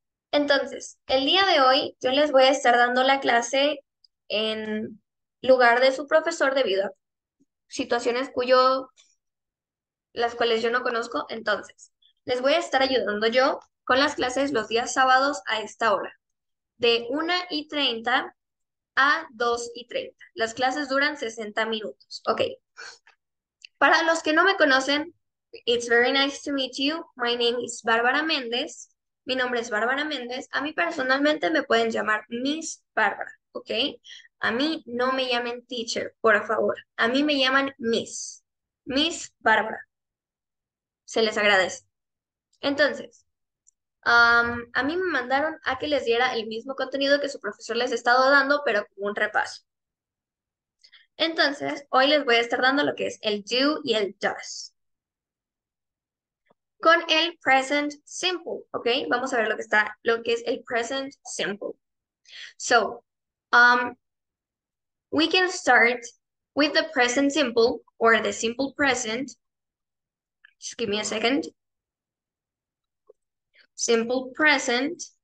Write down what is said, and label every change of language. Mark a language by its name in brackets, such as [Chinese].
[Spanish] Entonces, el día de hoy yo les voy a estar dando la clase en lugar de su profesor debido a situaciones cuyo las cuales yo no conozco. Entonces, les voy a estar ayudando yo con las clases los días sábados a esta hora, de 1:30 a 2:30. Las clases duran 60 minutos. Ok. Para los que no me conocen, [English] it's very nice to meet you. My name is Bárbara Méndez. [Spanish] Mi nombre es Bárbara Méndez. A mí personalmente me pueden llamar Miss Bárbara. Ok. A mí no me llamen teacher, por favor. A mí me llaman Miss. Miss Bárbara. Se les agradece. Entonces, a mí me mandaron a que les diera el mismo contenido que su profesor les ha estado dando, pero como un repaso. Entonces, hoy les voy a estar dando lo que es el do y el does. Con el present simple, ¿ok? Vamos a ver lo que es el present simple. [English] So, we can start with the present simple or the simple present. Just give me a second. Simple present.